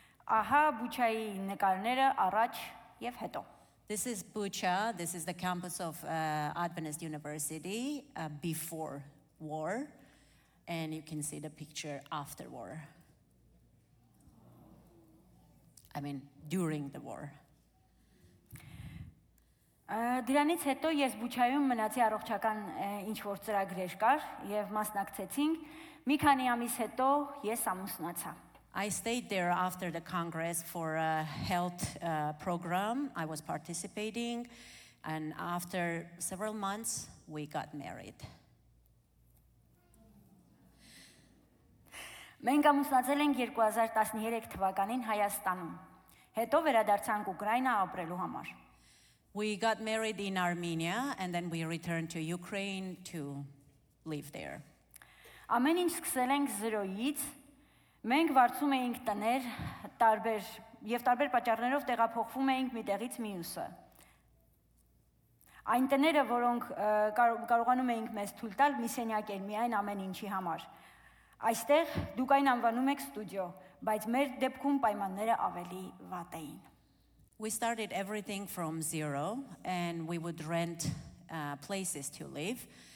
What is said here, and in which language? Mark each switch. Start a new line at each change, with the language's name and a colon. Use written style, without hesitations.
Armenian: Ահա Բուչայի նկարները առաջ եւ հետո.
English: This is Bucha. This is the campus of Adventist University before war, and you can see the picture after war. I mean, during the war.
Armenian: Դրանից հետո ես Բուչայում մնացի առողջական ինչ-որ ծրագրեր կար եւ մասնակցեցինք։ Մի քանի ամիս հետո ես ամուսնացա։
English: I stayed there after the Congress for a health program. I was participating, and after several months, we got married.
Armenian: Մենք ամուսնացել ենք 2013 թվականին Հայաստանում, հետո վերադարձանք Ուկրաինա ապրելու համար.
English: We got married in Armenia, and then we returned to Ukraine to live there.
Armenian: Ամեն ինչ սկսել ենք զրոյից. Մենք վարձում էինք տներ, տարբեր եւ տարբեր պատճառներով տեղափոխվում էինք մի տեղից մյուսը։ Այն տները, որոնք կարողանում էինք մեզ թույլ տալ, միսենյակ էր միայն ամեն ինչի համար։ Այստեղ դուք այն անվանում եք ստուդիո, բայց մեր դեպքում պայմանները ավելի վատ էին։
English: We started everything from zero and we would rent places to live.